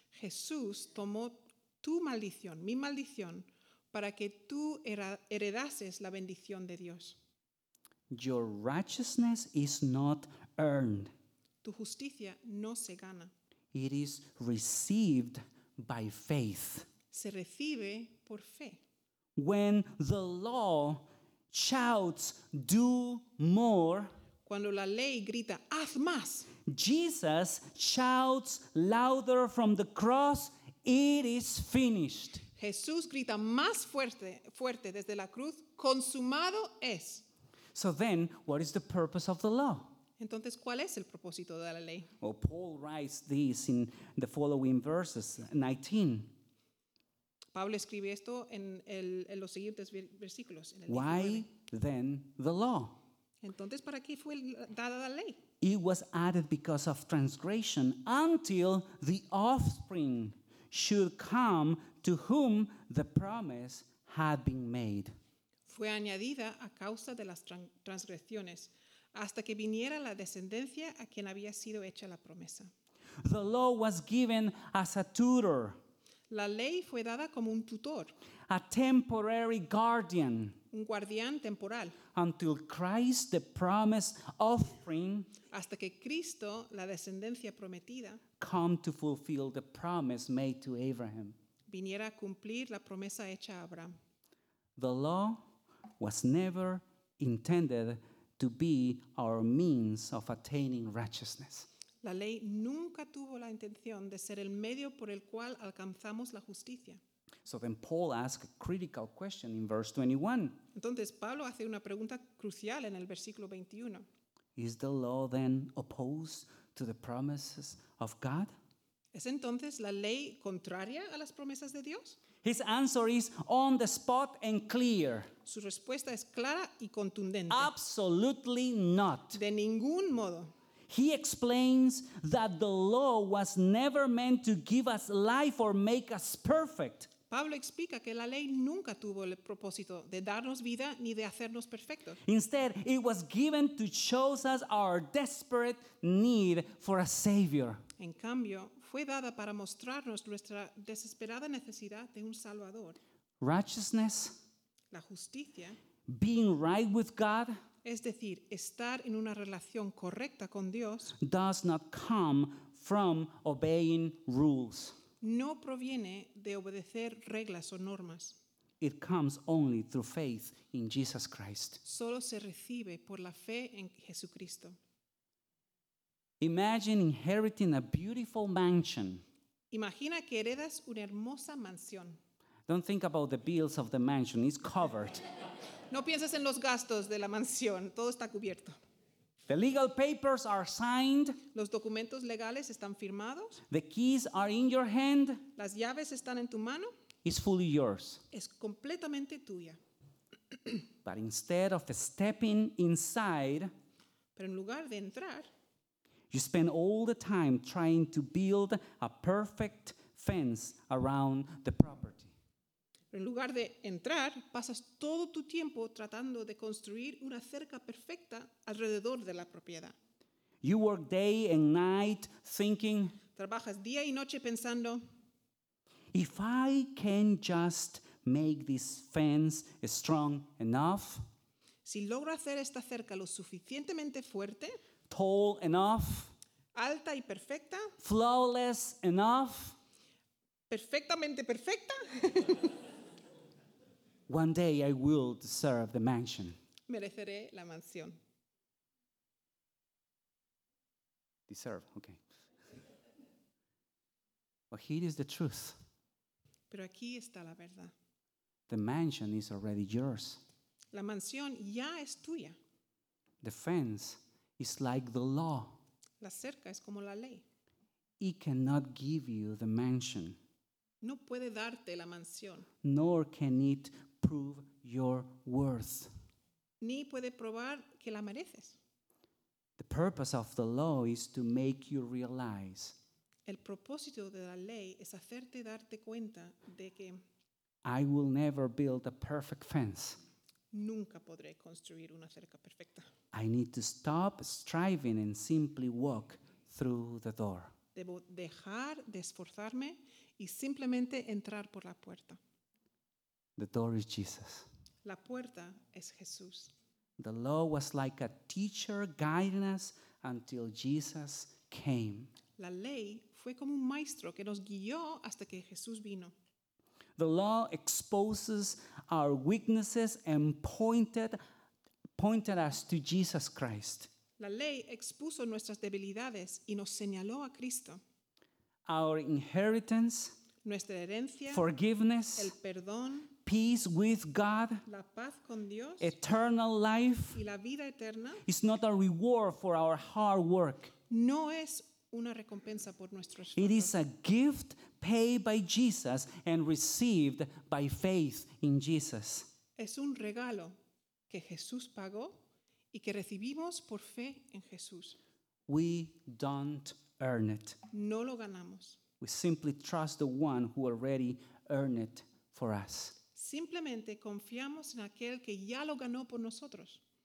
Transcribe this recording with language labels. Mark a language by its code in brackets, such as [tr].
[es] Jesús tomó tu maldición, mi maldición, para que tú heredases la bendición de Dios. [en] Your righteousness is not earned. [es] Tu justicia no se gana. [en] It is received by faith. [es] Se recibe por fe. [en] When the law shouts, "Do more," [es] cuando la ley grita, "Haz más," [en] Jesus shouts louder from the cross, "It is finished." [es] Jesús grita más fuerte desde la cruz, "Consumado es." [en] So then, what is the purpose of the law? [es] Entonces, ¿cuál es el propósito de la ley? [en] Well, Paul writes this in the following verses, 19. [es] Pablo escribe esto en los siguientes versículos. En el [en] Why 19. Then the law? [es] Entonces, ¿para qué fue dada la ley? [en] It was added because of transgression until the offspring should come to whom the promise had been made. [es] Fue añadida a causa de las transgresiones hasta que viniera la descendencia a quien había sido hecha la promesa. [en] The law was given as a tutor. [es] La ley fue dada como un tutor. [en] A temporary guardian. [es] Un guardián temporal. [en] Until Christ, the promised offspring, [es] hasta que Cristo, la descendencia prometida, [en] come to fulfill the promise made to Abraham. [es] viniera a cumplir la promesa hecha a Abraham. [en] The law was never intended to be our means of attaining righteousness. [es] La ley nunca tuvo la intención de ser el medio por el cual alcanzamos la justicia. [en] So then Paul asks a critical question in verse 21. [es] Entonces Pablo hace una pregunta crucial en el versículo 21. [en] Is the law then opposed to the promises of God? [es] ¿Es entonces la ley contraria a las promesas de Dios? [en] His answer is on the spot and clear. [es] Su respuesta es clara y contundente. [en] Absolutely not. [es] De ningún modo. [en] He explains that the law was never meant to give us life or make us perfect. [es] Pablo explica que la ley nunca tuvo el propósito de darnos vida ni de hacernos perfectos. [en] Instead, it was given to show us our desperate need for a savior. [es] En cambio, fue dada para mostrarnos nuestra desesperada necesidad de un salvador. [en] Righteousness, [es] la justicia, [en] being right with God, [es] es decir, estar en una relación correcta con Dios, [en] does not come from obeying rules. [es] No proviene de obedecer reglas o normas. [en] It comes only through faith in Jesus Christ. [es] Solo se recibe por la fe en Jesucristo. [en] Imagine inheriting a beautiful mansion. [es] Imagina que heredas una hermosa mansión. [en] Don't think about the bills of the mansion. It's covered. [es] No pienses en los gastos de la mansión. Todo está cubierto. [en] The legal papers are signed. [es] Los documentos legales están firmados. [en] The keys are in your hand. [es] Las llaves están en tu mano. [en] It's fully yours. [es] Es completamente tuya. [en] But instead of stepping inside, [es] pero en lugar de entrar, [en] you spend all the time trying to build a perfect fence around the property. [es] Pero en lugar de entrar, pasas todo tu tiempo tratando de construir una cerca perfecta alrededor de la propiedad. [en] You work day and night thinking, [es] trabajas día y noche pensando, [en] if I can just make this fence strong enough, [es] si logro hacer esta cerca lo suficientemente fuerte, [en] tall enough, [es] alta y perfecta, [en] flawless enough, [es] perfectamente perfecta, [en] one day I will deserve the mansion. [es] Mereceré la mansión. [en] Deserve, okay. But here is the truth. [es] Pero aquí está la verdad. [en] The mansion is already yours. [es] La mansión ya es tuya. [en] The fence is like the law. [es] La cerca es como la ley. [en] It cannot give you the mansion. [es] No puede darte la mansión. [en] Nor can it prove your worth. [es] Ni puede probar que la mereces. [en] The purpose of the law is to make you realize. [es] El propósito de la ley es hacerte darte cuenta de que [en] I will never build a perfect fence. [es] Nunca podré construir una cerca perfecta. [en] I need to stop striving and simply walk through the door. [es] Debo dejar de esforzarme y simplemente entrar por la puerta. [en] The door is Jesus. [es] La puerta es Jesús. [en] The law was like a teacher guiding us until Jesus came. [es] La ley fue como un maestro que nos guió hasta que Jesús vino. [en] The law exposes our weaknesses and pointed us to Jesus Christ. [es] La ley expuso nuestras debilidades y nos señaló a Cristo. [en] Our inheritance, [es] nuestra herencia, [en] forgiveness, [es] el perdón, [en] peace with God, [es] la paz con Dios, [en] eternal life, [es] y la vida eterna, [en] is not a reward for our hard work. [es] No es una recompensa por nuestro esfuerzo. [en] It is a gift paid by Jesus and received by faith in Jesus. [es] Es un regalo que Jesús pagó y que recibimos por fe en Jesús. [en] We don't earn it. [es] No lo ganamos. [en] We simply trust the one who already earned it for us. [es] Simplemente confiamos en aquel que ya lo ganó por nosotros.